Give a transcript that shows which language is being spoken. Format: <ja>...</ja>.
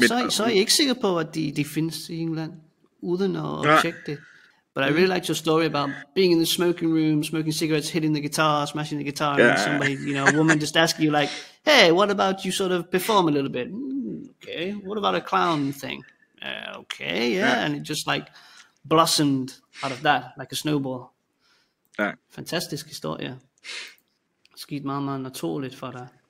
<da>Så er I ikke sikker på, at de findes i England, uden at tjekke det.</da> <en>But I really liked your story about being in the smoking room, smoking cigarettes, hitting the guitar, smashing the guitar, and somebody, you know, a woman just asking you like, hey, what about you sort of perform a little bit? Okay, what about a clown thing? And it just like blossomed out of that, like a snowball.</en> <da>Ja. Fantastisk historie. Skidt meget, meget naturligt for dig.</da>